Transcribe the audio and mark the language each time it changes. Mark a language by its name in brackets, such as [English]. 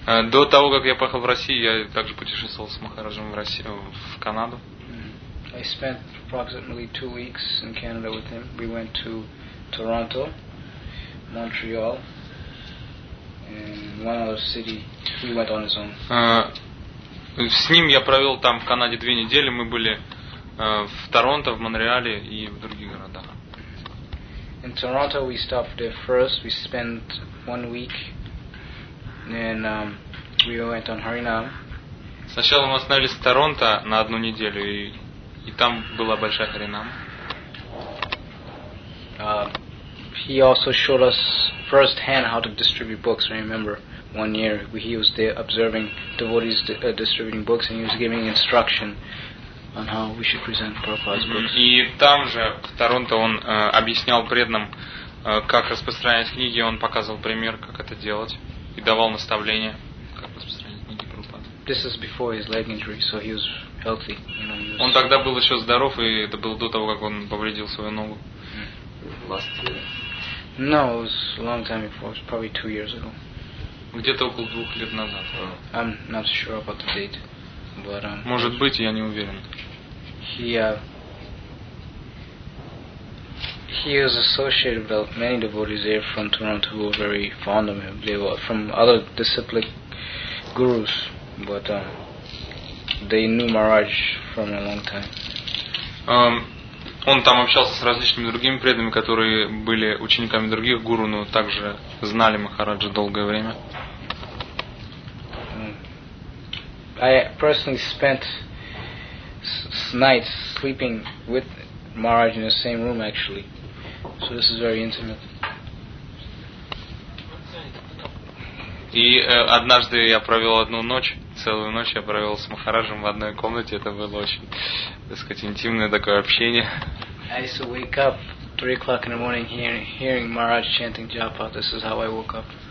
[Russian] До того как я поехал в Россию, я также путешествовал с Махараджем в Россию в Канаду. [English] I spent approximately 2 weeks in Canada with him. We went to Toronto, Montreal, and one other city. He went on his own. [Russian] С ним я провел там в Канаде 2 недели. Мы были в Торонто, в Монреале и в других городах. [English] In Toronto, we stopped there first. We spent 1 week, and we went on Harinam. [Russian] Сначала мы остановились в Торонто на 1 неделю, и там была большая Харинам. [English] He also showed us firsthand how to distribute books. I remember 1 year he was there observing devotees distributing books, and he was giving instruction on how we should present Prabhupada's books. [Russian] И там же в Торонто он объяснял преданным, как распространять книги. Он показывал пример, как это делать, и давал наставления, как распространять книги Прабхупады. [English] This is before his leg injury, so he was healthy. You know, [Russian] он тогда был еще здоров, и это было до того, как он повредил свою ногу. [English] Last year. No, it was a long time before. It was probably 2 years ago. [Russian] Где-то около 2 лет назад. [English] I'm not sure about the date. But, [Russian] может быть, я не уверен. [English] He was associated with many devotees there from Toronto who were very fond of him. They were from other disciplined gurus, but they knew Maharaj from a long time. [Russian] Он там общался с различными другими преданными, которые были учениками других гуру, но также знали Махараджа долгое время. [English] I personally spent nights sleeping with Maharaj in the same room, actually. So this is very intimate. [Russian] И однажды я провел одну ночь, целую ночь я провел с Махараджем в одной комнате. Это было очень, так сказать, интимное такое общение. [English] I used to wake up 3 o'clock in the morning hearing Maharaj chanting Japa. This is how I woke up.